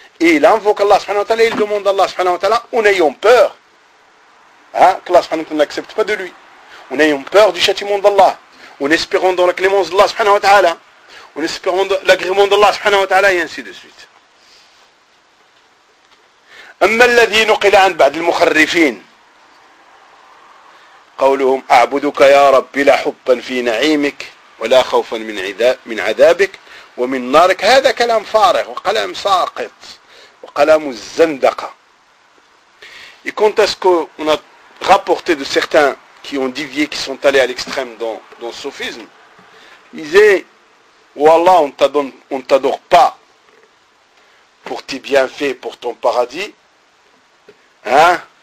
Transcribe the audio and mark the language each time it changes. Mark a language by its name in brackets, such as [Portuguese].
[French] Et il invoque Allah subhanahu wa ta'ala, il demande à Allah subhanahu wa ta'ala, en ayant peur, hein, que Allah subhanahu wa ta'ala n'accepte pas de lui. En ayant peur du châtiment d'Allah. En espérant dans la clémence d'Allah subhanahu wa ta'ala. En espérant de l'agrément d'Allah subhanahu wa ta'ala, et ainsi de suite. [Arabic] أما الذي نقل عن بعض المخرفين قولهم أعبدك يا رب لا حبا في نعيمك ولا خوفا من عذابك ومن نارك هذا كلام فارغ وكلام ساقط وكلام الزندقة [French] Et quant à ce qu'on a rapporté de certains qui ont divié, qui sont allés à l'extrême dans le sophisme, ils disaient, oh Allah, on ne t'adore pas pour tes bienfaits, pour ton paradis, hein?